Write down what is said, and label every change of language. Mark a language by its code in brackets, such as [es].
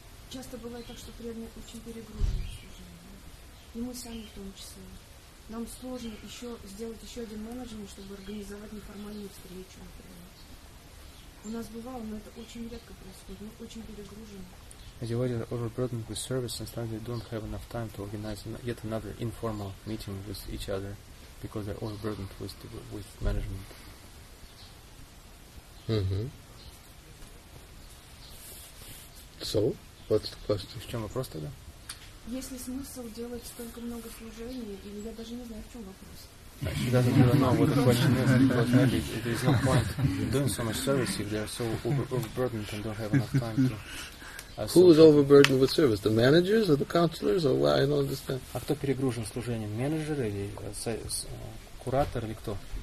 [ru] Часто бывает так, что преданные очень перегружены в служении. И мы сами в том числе. Нам сложно еще сделать еще один менеджмент, чтобы организовать неформальную встречу, например. У нас бывало, но это очень редко происходит. Мы очень перегружены. [en] As you are overburdened with service, and sometimes you don't have enough time to organize yet another informal meeting with each other, because they're overburdened with management. So? What's the question? [ru] В чем вопрос тогда? Есть ли смысл делать столько много служений, или я даже не знаю, в чем вопрос? [en] She doesn't even know what the question is, because maybe there is no point in doing so much service if they are so overburdened and don't have enough time to... Who is overburdened with service? The managers or the counselors? Or why? I don't understand. [ru] А кто перегружен служением? Менеджер или куратор, или кто?